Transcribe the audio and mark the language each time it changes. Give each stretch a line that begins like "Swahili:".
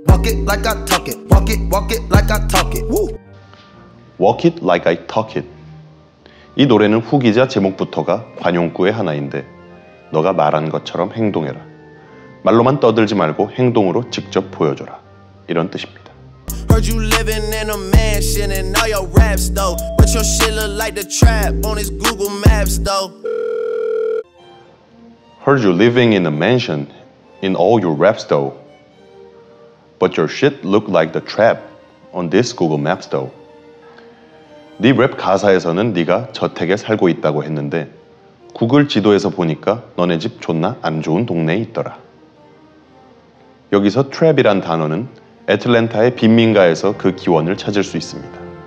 English: Walk it like I talk it. Walk it. Walk it like I talk it. Woo. Walk it like I talk it.
Korean: 이 노래는 후기자 제목부터가 관용구의 하나인데, 너가 말한 것처럼 행동해라. 말로만 떠들지 말고 행동으로 직접 보여줘라. 이런 뜻입니다.
English: Heard you living in a mansion and all your raps though, but your shit look like the trap on his Google Maps though. Heard you living in a mansion in all your raps though, but your shit look like the trap on this Google Maps though.
Korean: 네 랩 가사에서는 네가 저택에 살고 있다고 했는데, 구글 지도에서 보니까 너네 집 존나 안 좋은 동네에 있더라. 여기서 trap이란 단어는 애틀랜타의 빈민가에서 그 기원을 찾을 수 있습니다.